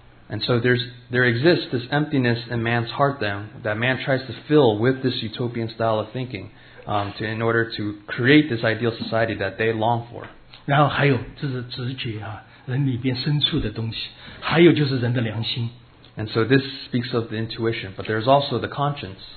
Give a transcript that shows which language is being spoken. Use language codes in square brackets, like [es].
[en] And so there exists this emptiness in man's heart then that man tries to fill with this utopian style of thinking in order to create this ideal society that they long for. [zh] 然后还有,这是直觉啊, 人里边深处的东西, 还有就是人的良心。 [en] And so this speaks of the intuition, but there's also the conscience.